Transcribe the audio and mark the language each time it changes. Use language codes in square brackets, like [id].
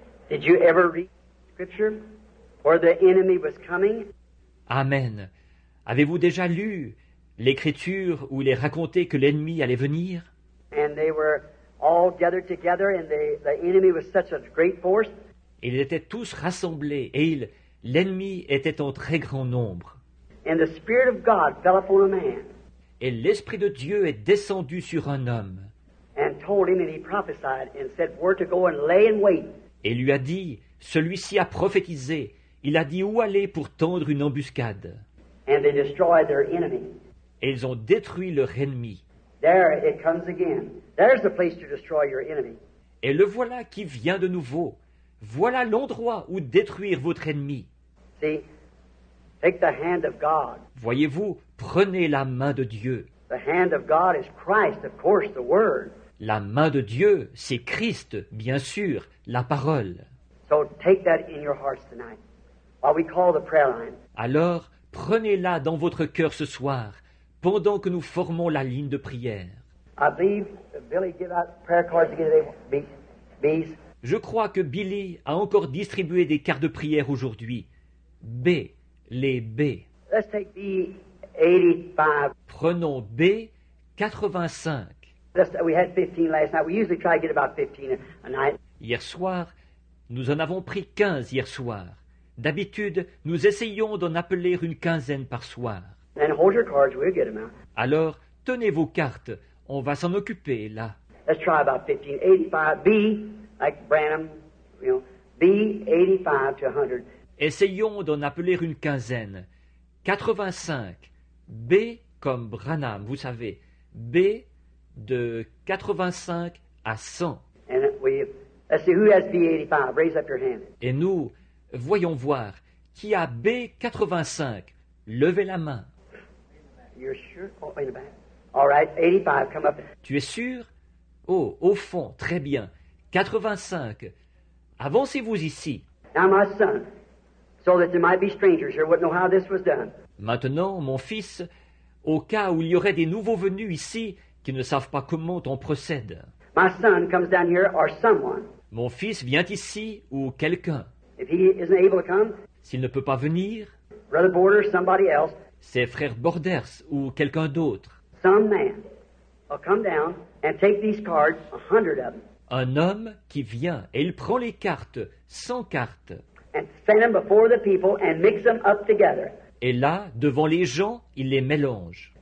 [en] Did you ever read scripture where the enemy was coming? Amen. [fr] Avez-vous déjà lu l'écriture où il est raconté que l'ennemi allait venir? [en] And they were all gathered together and the enemy was such a great force. [fr] Ils étaient tous rassemblés et l'ennemi était en très grand nombre. [en] and the Spirit of God fell upon a man. [fr] Et l'Esprit de Dieu est descendu sur un homme. [en] And told him, and he prophesied, and said, "Where to go and lay in wait." [fr] Et lui a dit, celui-ci a prophétisé. Il a dit où aller pour tendre une embuscade. [en] And they destroyed their enemy. [fr] Et ils ont détruit leur ennemi. [en] There it comes again. There's the place to destroy your enemy. [fr] Et le voilà qui vient de nouveau. Voilà l'endroit où détruire votre ennemi. [en] See, take the hand of God. [fr] Voyez-vous, prenez la main de Dieu. [en] The hand of God is Christ, of course, the Word. [fr] La main de Dieu, c'est Christ, bien sûr, la parole. [en] So take that in your hearts tonight, while we call the prayer line. [fr] Alors, prenez-la dans votre cœur ce soir, pendant que nous formons la ligne de prière. [en] I believe that Billy gave out prayer cards today, B's. [fr] Je crois que Billy a encore distribué des cartes de prière aujourd'hui. B, les B. [en] Let's take B85. [fr] Prenons B85. [en] We had 15 last night. We usually try to get about 15 a night. [fr] Hier soir, nous en avons pris 15 hier soir. D'habitude, nous essayons d'en appeler une quinzaine par soir. [en] And hold your cards, we'll get them out. [fr] Alors, tenez vos cartes. On va s'en occuper, là. [en] Let's try about 15. 85, B, like Branham, you know, B, 85 to 100. [fr] Essayons d'en appeler une quinzaine. 85, B comme Branham, vous savez. B de 85 à 100. [en] And we, let's see, who has B85? Raise up your hand. [fr] Et nous, voyons voir, qui a B85? Levez la main. [en] You're sure? Oh, in the back. All right, 85, come up. [fr] Tu es sûr? Oh, au fond, très bien. 85, avancez-vous ici. [en] Now my son, so that there might be strangers here, wouldn't know how this was done. [fr] Maintenant, mon fils, au cas où il y aurait des nouveaux venus ici qui ne savent pas comment on procède. [en] My son comes down here, or someone. [fr] Mon fils vient ici, ou quelqu'un. [en] If he isn't able to come, [fr] s'il ne peut pas venir, [en] Brother Borders, somebody else, [fr] c'est Frère Borders ou quelqu'un d'autre. [en] Some man will come down and take these cards, 100 of them. [fr] Un homme qui vient et il prend les cartes, 100 cartes. [en] And stand them before the people and mix them up together. [fr] Et là, devant les gens, il les mélange.